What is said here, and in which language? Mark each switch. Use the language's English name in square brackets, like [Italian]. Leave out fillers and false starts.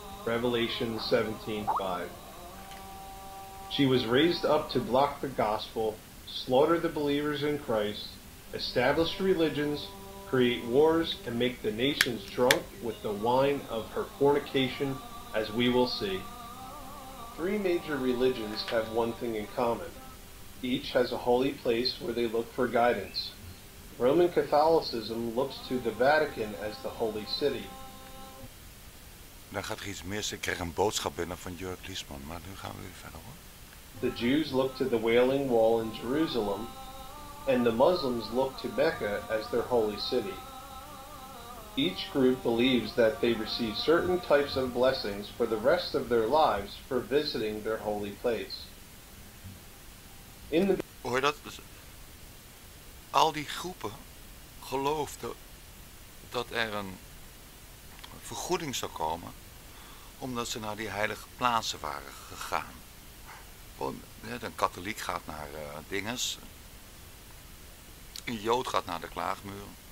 [English] Revelation 17:5. She was raised up to block the gospel, slaughter the believers in Christ, establish religions, create wars, and make the nations drunk with the wine of her fornication, as we will see. Three major religions have one thing in common. Each has a holy place where they look for guidance. Roman Catholicism looks to the Vatican as the holy city. [Dutch] Dan gaat er iets mis. Ik krijg een boodschap binnen van Jörg Liesman, maar nu gaan we weer verder hoor. [English] The Jews look to the Wailing Wall in Jerusalem, and the Muslims look to Mecca as their holy city. Each group believes that they receive certain types of blessings for the rest of their lives for visiting their holy place. [Dutch] Hoor dat? Al die groepen geloofden dat er een vergoeding zou komen omdat ze naar die heilige plaatsen waren gegaan. Een katholiek gaat naar dinges. Een jood gaat naar de klaagmuur.